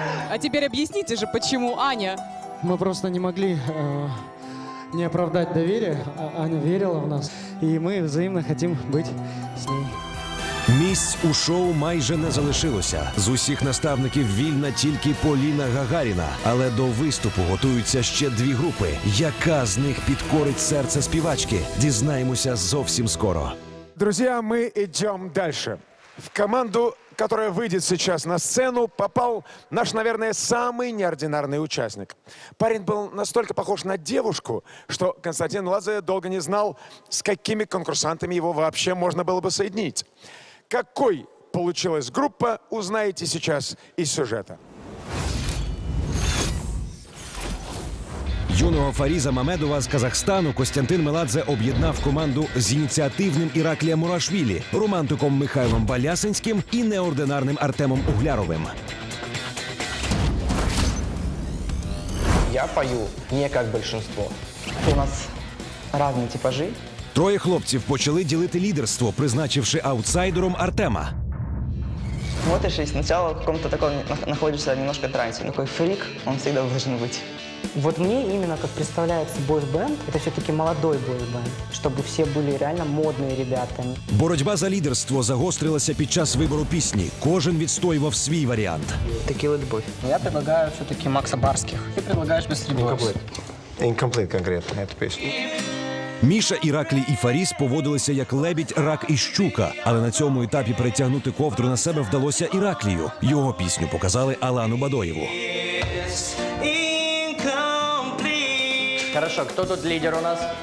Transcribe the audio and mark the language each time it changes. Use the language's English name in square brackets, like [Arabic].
[Russian] А теперь объясните же, почему Аня? Мы просто не могли не оправдать доверие. Аня верила в нас. И мы взаимно хотим быть с ней. [Ukrainian] Місць у шоу майже не залишилося. З усіх наставників вільна тільки Поліна Гагаріна. Але до виступу готуються ще дві групи. Яка з них підкорить серце співачки? Дізнаємося зовсім скоро. Друзі, ми йдемо далі. [Russian] В команду, которая выйдет сейчас на сцену, попал наш, наверное, самый неординарный участник. Парень был настолько похож на девушку, что Константин Лазаря долго не знал, с какими конкурсантами его вообще можно было бы соединить. Какой получилась группа, узнаете сейчас из сюжета. [Ukrainian] Юного Фаріза Мамедова з Казахстану Костянтин Меладзе об'єднав команду з ініціативним Іраклієм Мурашвілі, романтиком Михайлом Балясинським і неординарним Артемом Угляровим. Я пою не як більшинство. У нас різні типажі. Троє хлопців почали ділити лідерство, призначивши аутсайдером Артема. [Russian] Вот и шесть. Сначала в каком-то таком находишься немножко трансе. Такой фрик, он всегда должен быть. Вот мне именно как представляется бойс-бенд, это все-таки молодой бойс-бенд, чтобы все были реально модные ребята. [Ukrainian] Боротьба за лидерство загострилася під час выбору песни. Кожен відстоював свой вариант. [Russian] Текила любовь. Я предлагаю все-таки Макса Барских. Ты предлагаешь Бестребокс. Incomplete. Incomplete конкретно эту песню. [Ukrainian] Міша, Іраклій і Фаріз поводилися як лебідь, рак і щука. Але на цьому етапі притягнути ковдру на себе вдалося Іраклію. Його пісню показали Алану Бадоєву. Хорошо, хто тут лідер у нас?